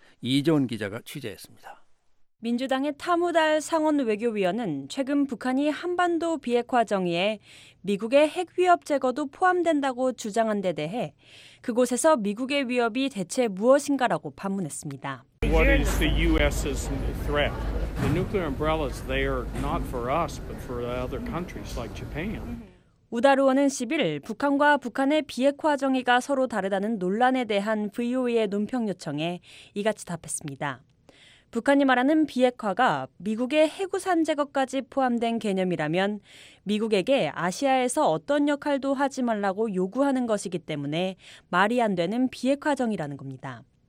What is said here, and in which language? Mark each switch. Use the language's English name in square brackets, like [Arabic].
[Korean] 이재원 기자가 취재했습니다. 민주당의 타무달 상원 외교위원은 최근 북한이 한반도 비핵화 정의에 미국의 핵 위협 제거도 포함된다고 주장한 데 대해 그곳에서 미국의 위협이 대체 무엇인가라고 반문했습니다. [English] What is the U.S.'s threat? The nuclear umbrellas, they are not for us, but for other countries like Japan. [Korean] 우달 의원은 10일 북한과 북한의 비핵화 정의가 서로 다르다는 논란에 대한 VOA의 논평 요청에 이같이 답했습니다. 북한이 말하는 비핵화가 미국의 핵우산 제거까지 포함된 개념이라면 미국에게 아시아에서 어떤 역할도 하지 말라고 요구하는 것이기 때문에 말이 안 되는 비핵화 정의라는 겁니다.